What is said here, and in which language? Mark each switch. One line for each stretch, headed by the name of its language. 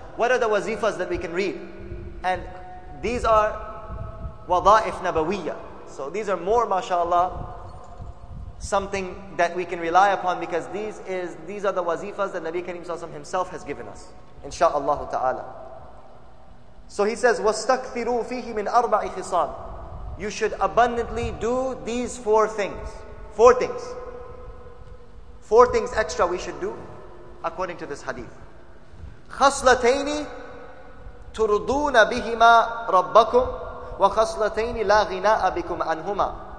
English: What are the wazifas that we can read? And these are wada'if nabawiyya. So these are more, mashallah, something that we can rely upon, because these are the wazifas that Nabi Kareem SAW himself has given us, inshaAllah ta'ala. So he says,
Arabic: وَاسْتَكْثِرُوا فِيهِ مِنْ أَرْبَعِ خِصَالٍ.
English: You should abundantly do these four things. Four things. Four things extra we should do according to this hadith.
Arabic: خَصْلَتَيْنِ تُرْضُونَ بِهِمَا رَبَّكُمْ وَخَصْلَتَيْنِ لَا غِنَاءَ بِكُمْ عَنْهُمَا.